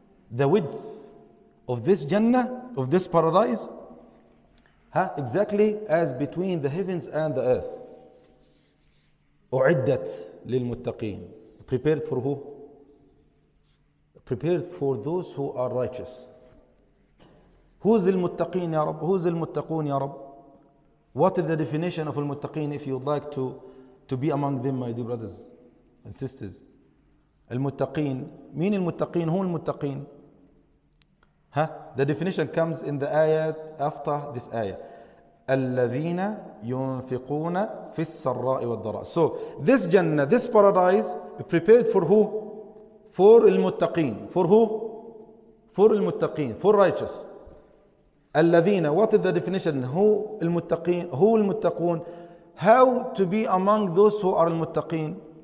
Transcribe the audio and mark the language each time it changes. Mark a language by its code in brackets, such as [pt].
[en] The width of this Jannah, of this paradise, exactly as between the heavens and the earth. [ar] أُعِدَّتْ لِلْمُتَّقِينَ [en] Prepared for who? Prepared for those who are righteous. Who's [ar] المُتَّقِينَ يَا رَبَّ? Who's المُتَّقُونَ يَا رَبَّ? [en] What is the definition of المُتَّقِينَ if you'd like to be among them, my dear brothers and sisters? [ar] المُتَّقِينَ مين المُتَّقِينَ? [en] Who [ar] المُتَّقِينَ? [en] Huh? The definition comes in the ayah after this ayah. [ar] الذين ينفقون في السراء والضراء. [en] So this Jannah, this paradise, prepared for who? For المتقين. For who? For المتقين. For righteous. الذين. What is the definition? Who المتقين? Who المتقون? How to be among those who are المتقين?